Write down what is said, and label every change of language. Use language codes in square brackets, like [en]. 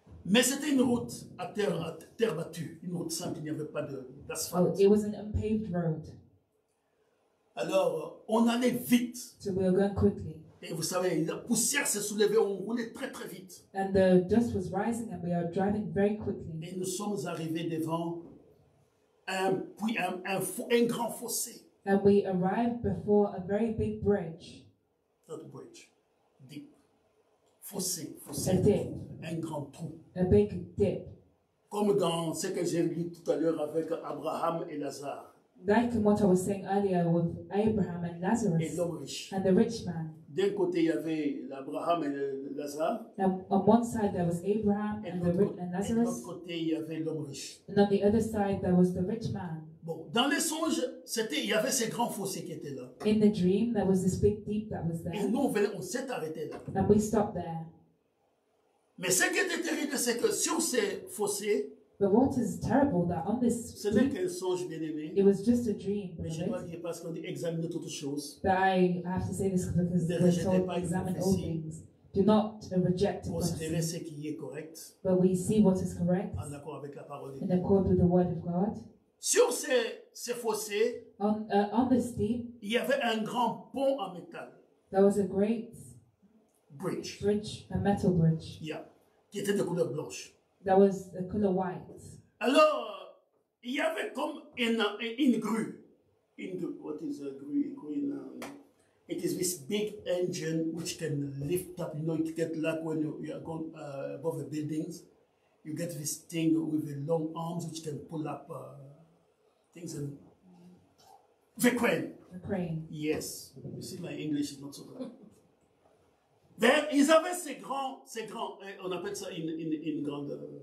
[fr] Mais c'était une route à terre battue, une route simple, il n'y avait pas d'asphalte. [en] Oh, it was an unpaved road. [fr] Alors, on allait vite. [en] So we were going quickly. [fr] Et vous savez, la poussière s'est soulevée, on roulait très très vite. [en] And the dust was rising and we are driving very quickly. [fr] Et nous sommes arrivés devant un grand fossé. [en] And we arrived before a very big bridge. Not bridge, deep. [fr] Fossé. [en] A dip. [fr] Un grand trou. [en] A big dip. [fr] Comme dans ce que j'ai lu tout à l'heure avec Abraham et Lazare. [en] Like in what I was saying earlier with Abraham and Lazarus. [fr] Et l'homme riche. [en] And the rich man. [fr] D'un côté, il y avait l'Abraham et Lazare. [en] On one side, there was Abraham and Lazarus. [fr] Et de l'autre côté, il y avait l'homme riche. [en] And on the other side, there was the rich man. [fr] Bon, dans les songes, c'était, il y avait ces grands fossés qui étaient là. [en] In the dream, there was this big deep that was there. [fr] Et nous, on s'est arrêté là. [en] And we stopped there. [fr] Mais ce qui était terrible, c'est que sur ces fossés, [en] but what is terrible that on this dream, it was just a dream. Right? But I have to say this because we told to examine all things. Do not reject prophecy. But we see what is correct [fr] en accord avec la parole [en] in accord with the word of God. [fr] Sur ces fossés, [en] on this deep, [fr] il y avait un grand pont en métal. [en] There was a great bridge, a metal bridge. [fr] Yeah, qui était de couleur blanche. [en] That was the color white. [fr] Alors, il y avait comme une grue. [en] What is a grue? It is this big engine which can lift up. You know, it gets like when you are going above the buildings. You get this thing with the long arms which can pull up things. And the crane. The crane. Yes. You see, my English is not so bad. [fr] Mais ils avaient ces grands, on appelle ça une grande.